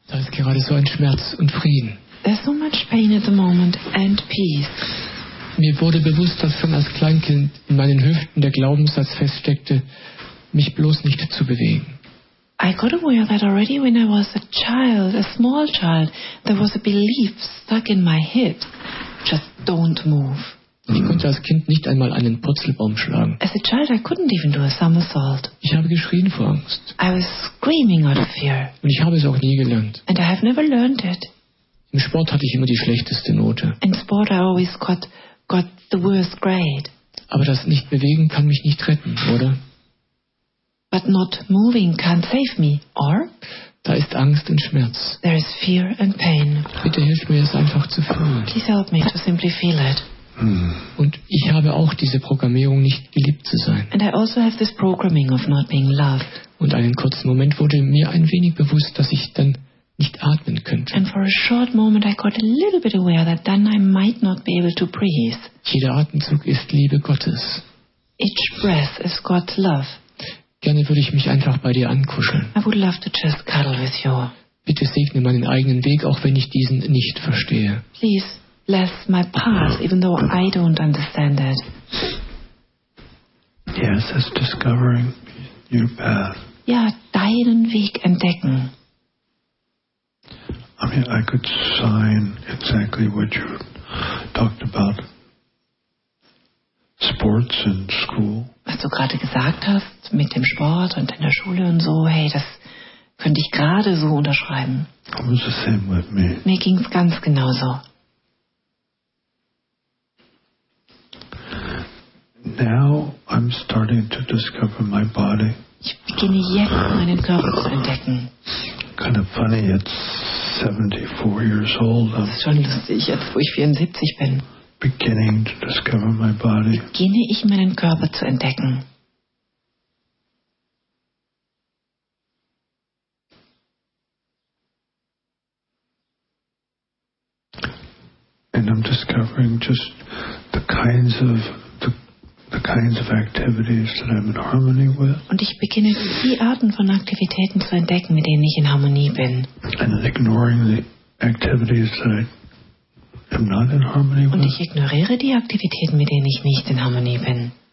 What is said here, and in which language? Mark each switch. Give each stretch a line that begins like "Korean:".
German: Gerade so ein Schmerz und Frieden.
English: There's so much pain at the moment and peace.
German: Mir wurde bewusst, dass schon als Kleinkind in meinen Hüften der Glaubenssatz feststeckte, mich bloß nicht zu bewegen.
English: I got aware that already when I was a child, a small child, there was a belief stuck in my head. Just don't move.
German: Ich konnte als Kind nicht einmal einen Purzelbaum schlagen.
English: As a child, I couldn't even do a somersault.
German: Ich habe geschrien vor Angst.
English: I was screaming out of fear.
German: Und ich habe es auch nie gelernt.
English: And I have never learned it.
German: Im Sport hatte ich immer die schlechteste Note.
English: In sport, I always got the worst grade.
German: Aber das nicht bewegen kann mich nicht retten, oder?
English: But not moving can't save me, or?
German: Da ist Angst und Schmerz.
English: There is fear and pain.
German: Bitte hilf mir, es einfach zu fühlen.
English: Please help me to simply feel it.
German: Und ich habe auch diese Programmierung, nicht geliebt zu sein.
English: And I also have this programming of not being loved.
German: Und einen kurzen Moment wurde mir ein wenig bewusst, dass ich dann nicht atmen könnte.
English: And for a short moment I got a little bit aware that then I might not be able to breathe.
German: Jeder Atemzug ist Liebe Gottes.
English: Each breath is God's love.
German: Gerne würde ich mich einfach bei dir ankuscheln.
English: I would love to just cuddle with you.
German: Bitte segne meinen eigenen Weg, auch wenn ich diesen nicht verstehe.
English: Please. Bless my path, even though I don't understand it. Yes, it's discovering your path.
German: Ja, deinen Weg entdecken.
English: I mean, I could sign exactly what you talked about. Sports and school.
German: Was du gerade gesagt hast, mit dem Sport und in der Schule und so, hey, das könnte ich gerade so unterschreiben.
English: It was the same with me.
German: Mir ging's ganz genauso.
English: Now I'm starting to discover my body.
German: Ich beginne jetzt meinen Körper zu entdecken.
English: Kind of funny, it's 74 years old.
German: Das ist schon lustig, jetzt wo ich 74 bin.
English: Beginning to discover my body.
German: Beginne ich meinen Körper zu entdecken.
English: And I'm discovering just the kinds of activities that I'm in harmony with.
German: Und ich beginne die Arten von Aktivitäten zu entdecken, mit denen ich in Harmonie bin.
English: And ignoring the activities that I am not in harmony with.
German: Und ich ignoriere die Aktivitäten, mit denen ich nicht in Harmonie bin.